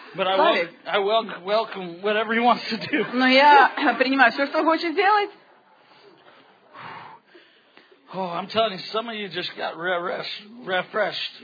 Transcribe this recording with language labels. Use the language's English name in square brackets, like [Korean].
[English] But I welcome whatever he wants to do. [Russian] Но я принимаю все, что хочет делать. [English] Oh, I'm telling you, some of you just got refreshed.